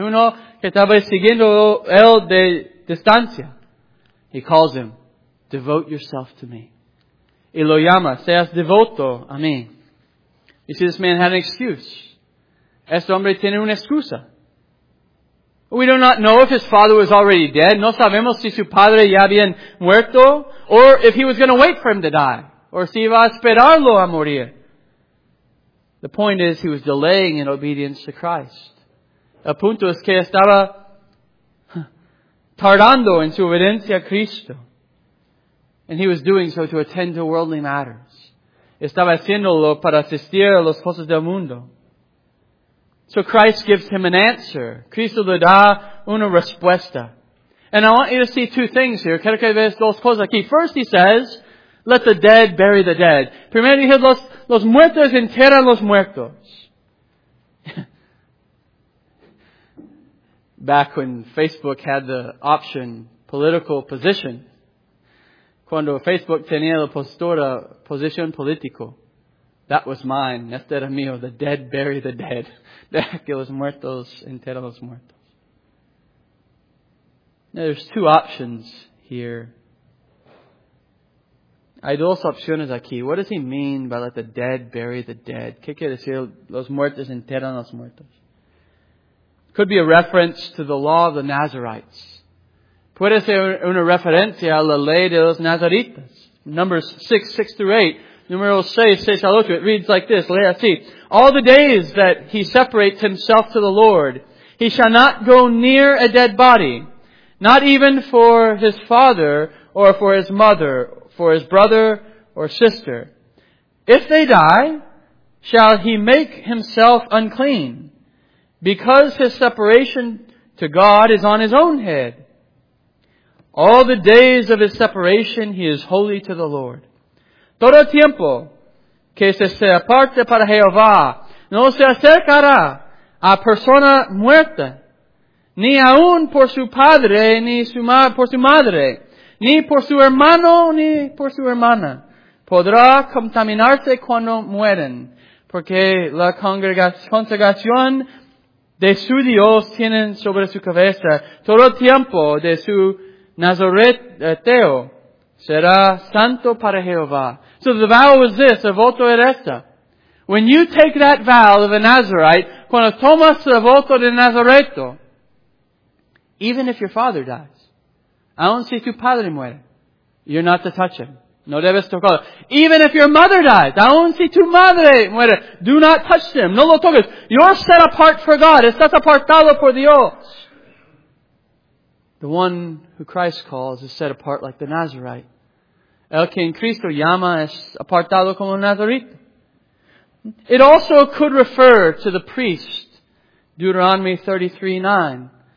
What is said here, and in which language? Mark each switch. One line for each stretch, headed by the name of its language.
Spanish: Uno que estaba siguiendo él de distancia.
English: He calls him, devote yourself to me.
Spanish: Y lo llama, seas devoto a mí.
English: You see, this man had an excuse.
Spanish: Este hombre tiene una excusa.
English: We do not know if his father was already dead.
Spanish: No sabemos si su padre ya había muerto.
English: Or if he was going to wait for him to die. Or
Spanish: si iba a esperarlo a morir.
English: The point is, he was delaying in obedience to Christ.
Spanish: El punto es que estaba tardando en su obediencia a Cristo.
English: And he was doing so to attend to worldly matters.
Spanish: Estaba haciéndolo para asistir a los cosas del mundo.
English: So Christ gives him an answer.
Spanish: Cristo le da una respuesta.
English: And I want you to see two things here.
Spanish: Quiero que veas dos cosas aquí.
English: First, he says, let the dead bury the dead.
Spanish: Primero, dice, los muertos enterran los muertos.
English: Back when Facebook had the option, political position.
Spanish: Cuando Facebook tenía la postura, posición político.
English: That was mine.
Spanish: Este era mío.
English: The dead bury the dead.
Spanish: Deja que los muertos enterren los muertos.
English: Now, there's two options here.
Spanish: Hay dos opciones aquí.
English: What does he mean by let the dead bury the dead?
Spanish: ¿Qué quiere decir los muertos enterren los muertos?
English: Could be a reference to the law of the Nazarites.
Spanish: Puede ser una referencia a la ley de los Nazaritas.
English: Numbers 6:6-8. Numeral 6:6-8. It reads like this.
Spanish: Lea así.
English: All the days that he separates himself to the Lord, he shall not go near a dead body, not even for his father or for his mother, for his brother or sister. If they die, shall he make himself unclean, because his separation to God is on his own head. All the days of his separation, he is holy to the Lord.
Spanish: Todo tiempo que se aparte para Jehová, no se acercará a persona muerta, ni aun por su padre, ni por su madre, ni por su hermano, ni por su hermana. Podrá contaminarse cuando mueren, porque la consagración de su Dios tienen sobre su cabeza. Todo tiempo de su Nazareteo será santo para Jehová.
English: So the vow was this,
Spanish: el voto era esta.
English: When you take that vow of a Nazarite,
Spanish: cuando tomas el voto de Nazareto,
English: even if your father dies,
Spanish: aun si tu padre muere,
English: you're not to touch him.
Spanish: No debes tocarlo.
English: Even if your mother dies,
Spanish: aun si tu madre muere,
English: do not touch them.
Spanish: No lo toques.
English: You're set apart for God.
Spanish: Estás apartado por Dios.
English: The one who Christ calls is set apart like the Nazarite.
Spanish: El que en Cristo llama es apartado como un Nazarito.
English: It also could refer to the priest, Deuteronomy 33:9.